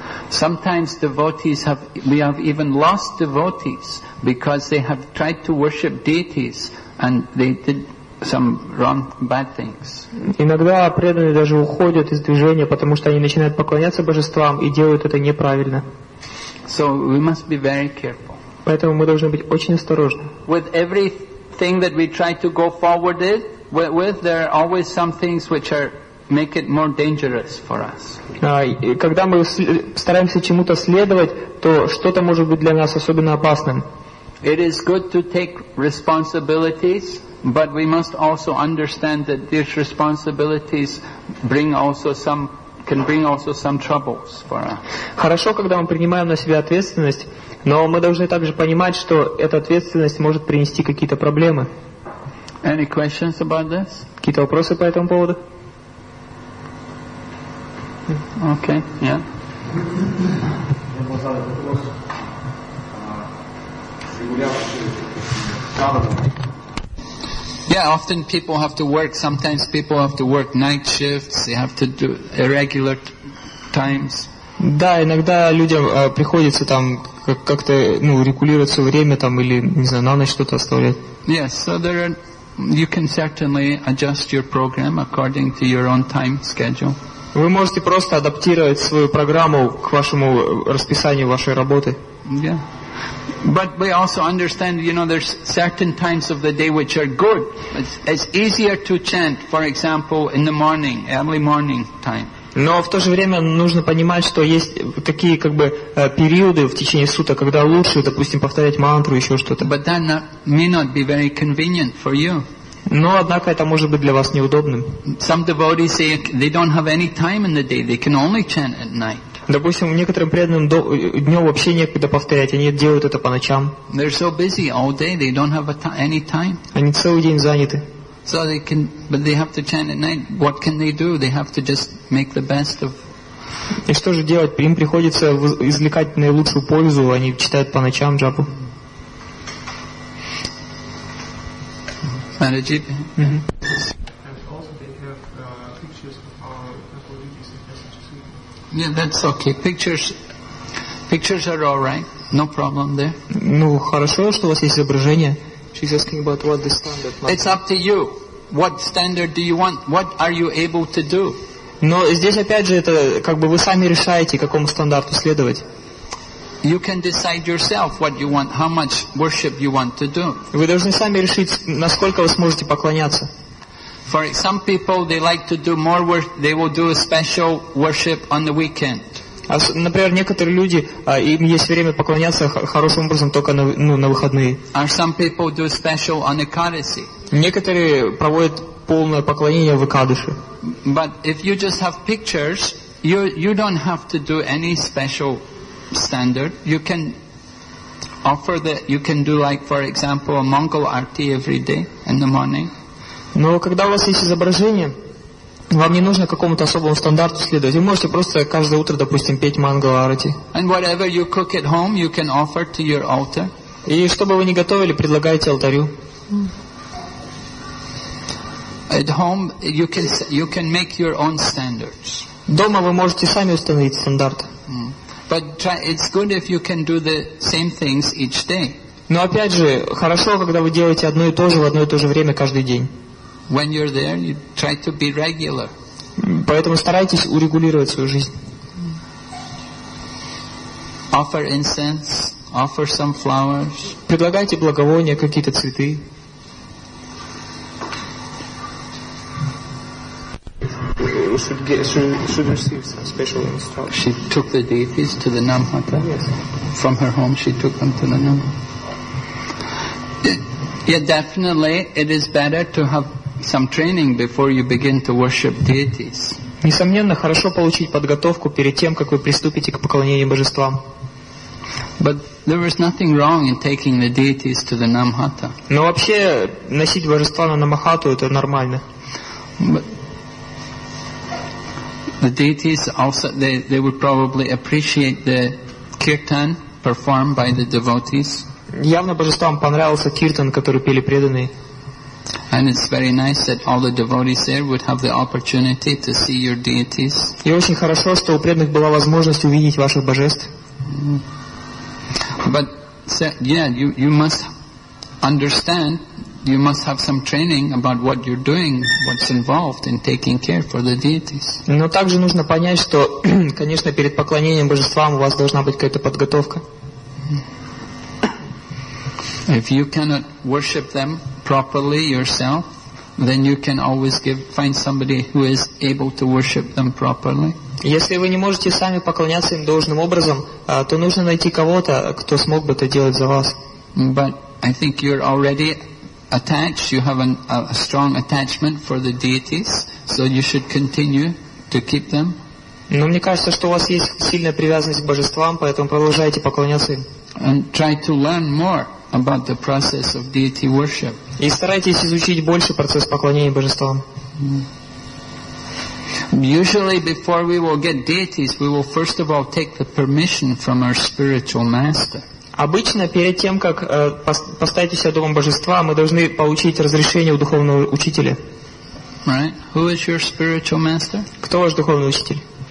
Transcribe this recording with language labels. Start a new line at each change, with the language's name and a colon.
English: Sometimes we have even lost devotees because they have tried to worship deities and they did some wrong, bad things.
Russian: Иногда преданные даже уходят из движения, потому что они начинают поклоняться божествам и делают это неправильно.
English: So we must be very careful.
Russian: Поэтому мы должны быть очень осторожны.
English: With everything that we try to go forward with, there are always some things which are make it more dangerous for us.
Russian: Когда мы стараемся чему-то следовать, то что-то может быть для нас особенно опасным.
English: It is good to take responsibilities, but we must also understand that these responsibilities can bring also some troubles for us.
Russian: Хорошо, когда мы принимаем на себя ответственность, но мы должны также понимать, что эта ответственность может принести какие-то проблемы.
English: Any questions about this?
Russian: Какие-то вопросы по этому поводу?
English: Okay, yeah. Yeah, often people have to work, sometimes people have to work night shifts, they have to do irregular times.
Russian: Да, иногда людям приходится там как-то, ну, регулировать свое время там или, не знаю, на ночь что-то оставлять.
English: Yes, so you can certainly adjust your program according to your own time schedule.
Russian: Вы можете просто адаптировать свою программу к вашему расписанию вашей работы.
English: Yeah. But we also understand, you know, there's certain times of the day which are good. It's easier to chant, for example, in the morning, early morning time.
Russian: Но в то же время нужно понимать, что есть такие как бы периоды в течение суток, когда лучше, допустим, повторять мантру, еще что-то.
English: But that may not be very convenient for you.
Russian: Но, однако, это может быть для вас неудобным.
English: Some devotees say they don't have any time in the day; they can only chant at night.
Russian: Допустим, некоторым преданным днем вообще некогда повторять, они делают это по ночам.
English: They're so busy all day; they don't have any time.
Russian: Они целый день заняты.
English: So they can, but they have to chant at night. What can they do? They have to just make the best of.
Russian: И что же делать? Им приходится извлекать наилучшую пользу, они читают по ночам джапу. Mm-hmm.
English: Yeah, that's okay. Pictures are all right. No problem there.
Russian: Ну хорошо, что у вас есть изображение.
English: She's asking about what the standard. It's up to you. what standard do you want? What are you able to do?
Russian: Но здесь опять же это как бы вы сами решаете, какому стандарту следовать.
English: You can decide yourself what you want, how much worship you want to do.
Russian: Вы должны сами решить, насколько вы сможете поклоняться.
English: For some people, they like to do more worship. They will do a special worship on the weekend.
Russian: Например, некоторые люди, им есть время поклоняться хорошим образом только на выходные.
English: Or some people do special on the Kaddishi.
Russian: Некоторые проводят полное поклонение в Кадыше.
English: But if you just have pictures, you don't have to do any special standard. You can offer that. You can do like, for example, a Mongol arti every day in the morning.
Russian: Но когда у вас есть изображение, вам не нужно какому-то особому стандарту следовать. Вы можете просто каждое утро, допустим, петь Mongol arti.
English: And whatever you cook at home, you can offer to your altar.
Russian: И что бы вы ни готовили, предлагайте алтарю.
English: At home, you can make your own standards.
Russian: Дома вы можете сами установить стандарт.
English: But it's good if you can do the same things each day.
Russian: Но опять же, хорошо, когда вы делаете одно и то же в одно и то же время каждый день.
English: When you're there, you try to be regular.
Russian: Поэтому старайтесь урегулировать свою жизнь.
English: Offer incense, offer some flowers.
Russian: Предлагайте благовония, какие-то цветы.
English: Should receive some special instruction. She took the deities to the Namhata. Yes. From her home, she took them to the Namhata. Yeah, definitely, it is better to have some training before you begin to worship deities.
Russian: Несомненно, хорошо получить подготовку перед тем, как вы приступите к поклонению божествам.
English: But there is nothing wrong in taking the deities to the Namhata.
Russian: Но вообще носить божества на Намахату это нормально.
English: The deities also they would probably appreciate the kirtan performed by the devotees.
Russian: Явно божествам понравился киртан, который пели преданные.
English: And it's very nice that all the devotees there would have the opportunity to see your deities.
Russian: И очень хорошо, что у преданных была возможность увидеть ваших божеств.
English: But yeah, you must understand. You must have some training about what you're doing, what's involved in taking care for the deities.
Russian: Но также нужно понять, что, конечно, перед поклонением божествам у вас должна быть какая-то подготовка.
English: If you cannot worship them properly yourself, then you can always find somebody who is able to worship them properly.
Russian: Если вы не можете сами поклоняться им должным образом, то нужно найти кого-то, кто смог бы это делать за вас.
English: But I think you're already attached, you have a strong attachment for the deities, so you should continue to keep them.
Russian: Но мне кажется, что у вас есть сильная привязанность к божествам, поэтому продолжайте поклоняться им.
English: And try to learn more about the process of deity worship.
Russian: И старайтесь изучить больше процесс поклонения божествам.
English: Usually, before we will get deities, we will first of all take the permission from our spiritual master.
Russian: Обычно перед тем, как поставить у себя дом божества, мы должны получить разрешение у духовного учителя.
English: Right. Who is your spiritual master?
Russian: Кто ваш духовный учитель?